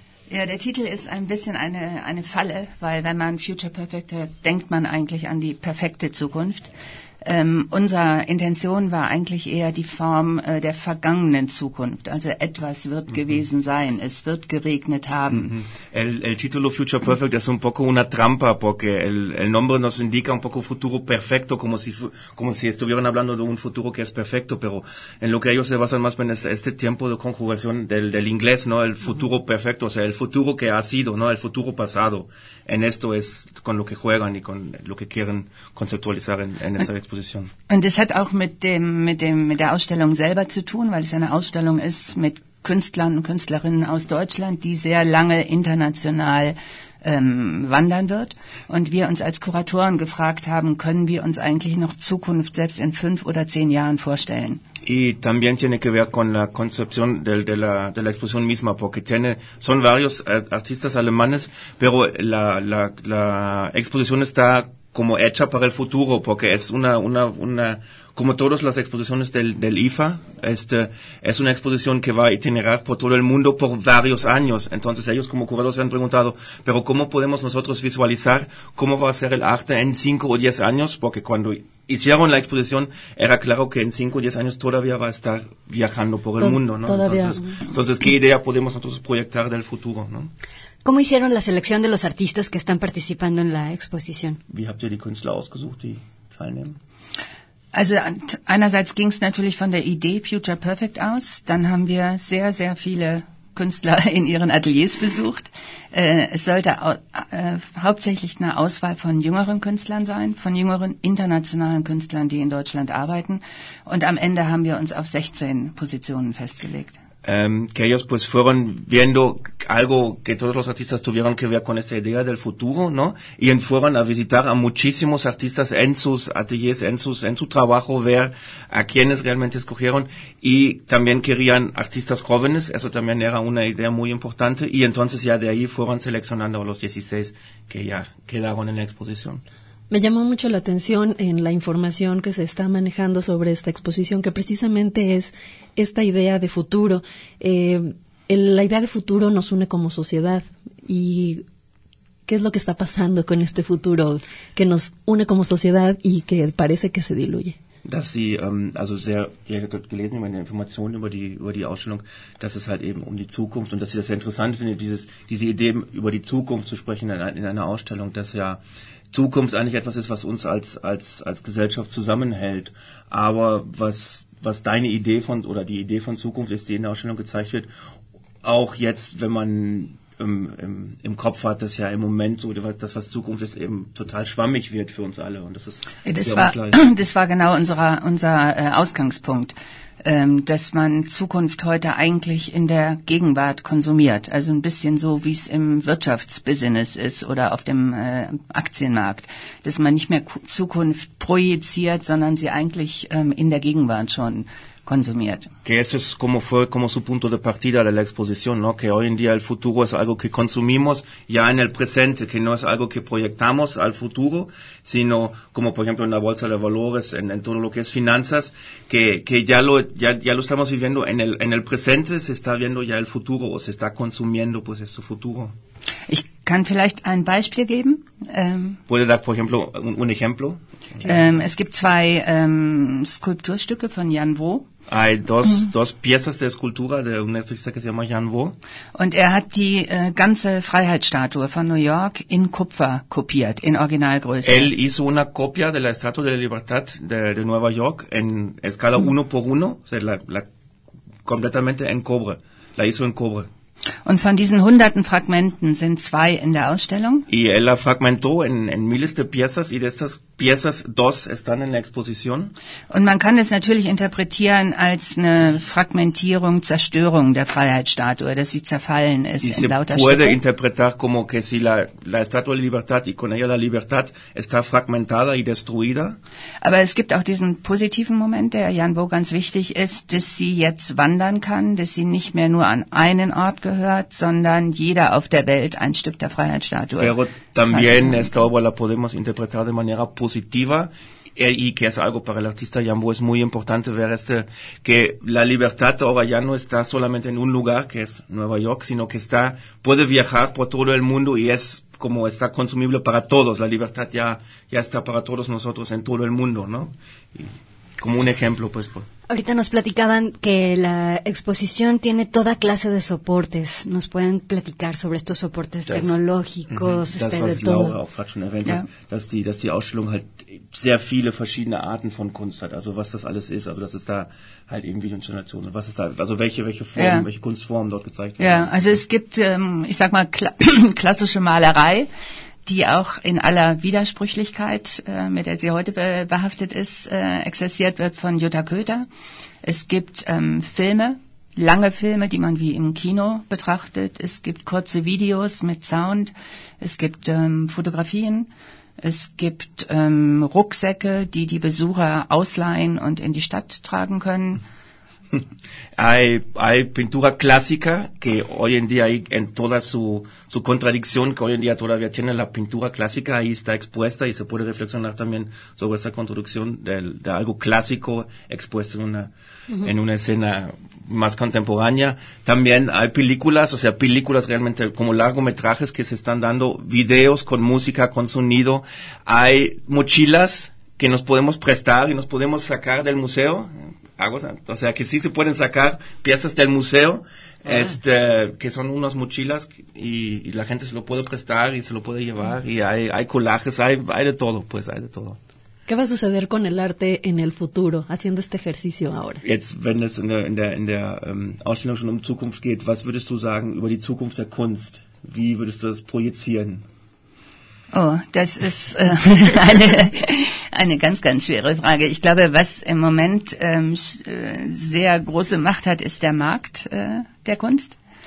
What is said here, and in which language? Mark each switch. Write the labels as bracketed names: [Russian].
[German] Ja, der Titel ist ein bisschen eine Falle, weil wenn man Future Perfect hat, denkt man eigentlich an die perfekte Zukunft. Unsere Intention war eigentlich eher die Form der vergangenen Zukunft. Also etwas wird mhm. gewesen sein, es wird geregnet haben. Mhm. [Spanish] El titolo Future Perfect es un poco una trampa, porque el nombre nos indica un poco futuro perfecto, como si estuvieran hablando de un futuro que es perfecto, pero en lo que ellos se basan más bien es este tiempo de conjugación del inglés, ¿no? El futuro mhm. perfecto, o sea, el futuro que ha sido, ¿no? El futuro pasado. En esto es con lo que juegan y con lo que quieren conceptualizar en esta Exposition. [German] Und es hat auch mit der Ausstellung selber zu tun, weil es eine Ausstellung ist mit Künstlern und Künstlerinnen aus Deutschland, die sehr lange international wandern wird. Und wir uns als Kuratoren gefragt haben, können wir uns eigentlich noch Zukunft selbst in 5 oder 10 Jahren vorstellen? [Spanish] Y también tiene que ver con la concepción de la exposición misma, porque son varios artistas alemanes, pero la exposición está como hecha para el futuro, porque es una como todas las exposiciones del IFA, es una exposición que va a itinerar por todo el mundo por varios años. Entonces ellos como curadores se han preguntado, pero ¿cómo podemos nosotros visualizar cómo va a ser el arte en 5 o 10 años? Porque cuando hicieron la exposición, era claro que en 5 o 10 años todavía va a estar viajando por el mundo, ¿no? Entonces, ¿qué idea podemos nosotros proyectar del futuro, no? ¿Cómo hicieron la selección de los artistas que están participando en la exposición? [German] Wie habt ihr die Künstler ausgesucht, die teilnehmen? Also einerseits ging es natürlich von der Idee Future Perfect aus. Dann haben wir sehr, sehr viele Künstler in ihren Ateliers besucht. Es sollte hauptsächlich eine Auswahl von jüngeren Künstlern sein, von jüngeren internationalen Künstlern, die in Deutschland arbeiten. Und am Ende haben wir uns auf 16 Positionen festgelegt. [Spanish] Que ellos pues fueron viendo algo que todos los artistas tuvieron que ver con esta idea del futuro, ¿no? Y fueron a visitar a muchísimos artistas en sus ateliers, en su trabajo, ver a quienes realmente escogieron. Y también querían artistas jóvenes, eso también era una idea muy importante. Y entonces ya de ahí fueron seleccionando a los 16 que ya quedaron en la exposición. Me llamó mucho la atención en la información que se está manejando sobre esta exposición, que precisamente es esta idea de futuro. La idea de futuro nos une como sociedad. ¿Y qué es lo que está pasando con este futuro que nos une como sociedad y que parece que se diluye? [German] Dass sie, also sehr, die hat dort gelesen über die Informationen über die Ausstellung, dass es halt eben um die Zukunft und dass sie das sehr interessant findet, diese Idee über die Zukunft zu sprechen in einer Ausstellung, dass ja Zukunft eigentlich etwas ist, was uns als Gesellschaft zusammenhält. Aber was deine Idee von, oder die Idee von Zukunft ist, die in der Ausstellung gezeigt wird, auch jetzt, wenn man im Kopf hat, dass ja im Moment so, das, was Zukunft ist, eben total schwammig wird für uns alle. Und das ist, ja, das war genau unser Ausgangspunkt, dass man Zukunft heute eigentlich in der Gegenwart konsumiert. Also ein bisschen so, wie es im Wirtschaftsbusiness ist oder auf dem Aktienmarkt. Dass man nicht mehr Zukunft projiziert, sondern sie eigentlich in der Gegenwart schon consumiert. [Spanish] Que eso es como fue como su punto de partida de la exposición, ¿no? Que hoy en día el futuro es algo que consumimos ya en el presente, que no es algo que proyectamos al futuro, sino como por ejemplo en la bolsa de valores, en todo lo que es finanzas, que ya lo estamos viviendo en el presente, se está viendo ya el futuro o se está consumiendo pues este futuro. [German] Ich kann vielleicht ein Beispiel geben. [Spanish] Puede dar, por ejemplo, un ejemplo. [German] Es gibt zwei Skulpturstücke von Jan Wo. [Spanish] Hay dos piezas de escultura de un artista que se llama Jan Wo. [German] Und er hat die ganze Freiheitsstatue von New York in Kupfer kopiert, in Originalgröße. [Spanish] Él hizo una copia de la Estatua de la Libertad de Nueva York en escala 1x1, o sea, la completamente en cobre. La hizo en cobre. [German] Und von diesen hunderten Fragmenten sind 2 in der Ausstellung. [Spanish] Y él la fragmentó en miles de piezas y de estas piezas 2 están en la exposición. [German] Und man kann es natürlich interpretieren als eine Fragmentierung, Zerstörung der Freiheitsstatue, dass sie zerfallen ist [Spanish] y [German] in lauter Stücke. [Spanish] Se puede interpretar como que si la Estatua de Libertad y con ella la Libertad está fragmentada y destruida. [German] Aber es gibt auch diesen positiven Moment, der Jan Wo ganz wichtig ist, dass sie jetzt wandern kann, dass sie nicht mehr nur an einen Ort gehört, sondern jeder auf der Welt ein Stück der Freiheitsstatue. [Spanish] Pero también esta obra la podemos interpretar de manera positiva y que es algo para el artista Jambo es muy importante ver este, que la libertad ahora ya no está solamente en un lugar, que es Nueva York, sino que está, puede viajar por todo el mundo y es como está consumible para todos. La libertad ya está para todos nosotros en todo el mundo, ¿no? Y como un ejemplo, pues. Ahorita nos platicaban que la exposición tiene toda clase de soportes. ¿Nos pueden platicar sobre estos soportes tecnológicos? [German] Das, was [Spanish] de todo. [German] Laura auch gerade schon erwähnt hat, dass die Ausstellung halt sehr viele verschiedene Arten von Kunst hat. Also was das alles ist, also das ist da halt eben wie eine Installation. Was ist da, also welche Formen, welche Kunstformen dort gezeigt werden. Ja, also es gibt, ich sag mal, klassische Malerei, die auch in aller Widersprüchlichkeit, mit der sie heute behaftet ist, exerziert wird von Jutta Köther. Es gibt Filme, lange Filme, die man wie im Kino betrachtet. Es gibt kurze Videos mit Sound. Es gibt Fotografien. Es gibt Rucksäcke, die die Besucher ausleihen und in die Stadt tragen können. [Spanish] Hay pintura clásica que hoy en día, en toda su contradicción que hoy en día todavía tiene, la pintura clásica ahí está expuesta y se puede reflexionar también sobre esa contradicción de algo clásico expuesto en una, en una escena más contemporánea. También hay películas, o sea, películas realmente como largometrajes que se están dando, videos con música, con sonido. Hay mochilas que nos podemos prestar y nos podemos sacar del museo. O sea, que sí se pueden sacar piezas del museo, este, que son unas mochilas y la gente se lo puede prestar y se lo puede llevar y hay colajes, hay de todo, pues hay de todo. ¿Qué va a suceder con el arte en el futuro, haciendo este ejercicio ahora? [German] Jetzt, wenn es in der Ausstellung schon um Zukunft geht, was würdest du sagen über die Zukunft der Kunst? Wie würdest du das projizieren? Oh, das ist eine ganz, ganz schwere Frage. Ich glaube, was im Moment sehr große Macht hat, ist der Markt der Kunst.